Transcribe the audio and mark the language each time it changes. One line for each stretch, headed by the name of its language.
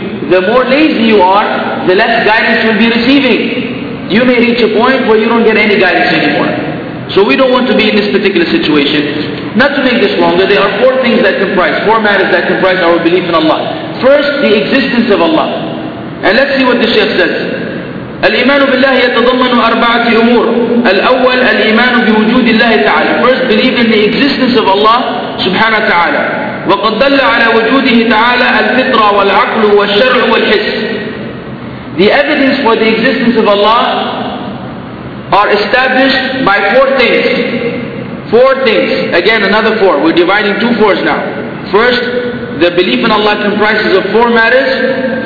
English: The more lazy you are, the less guidance you'll be receiving. You may reach a point where you don't get any guidance anymore. So we don't want to be in this particular situation. Not to make this longer, there are four things that comprise, four matters that comprise our belief in Allah. First, the existence of Allah. And let's see what the Shaykh says.
Arabic: الإيمان بالله يتضمن أربعة أمور. الأول الإيمان بوجود الله تعالى.
English: First, believe in the existence of Allah
Arabic: سبحانه وتعالى. وقد دل على وجوده تعالى الفطرة والعقل والشرع والحس.
English: The evidence for the existence of Allah are established by four things. Four things. Again, another four. We're dividing two fours now. First, the belief in Allah comprises of four matters.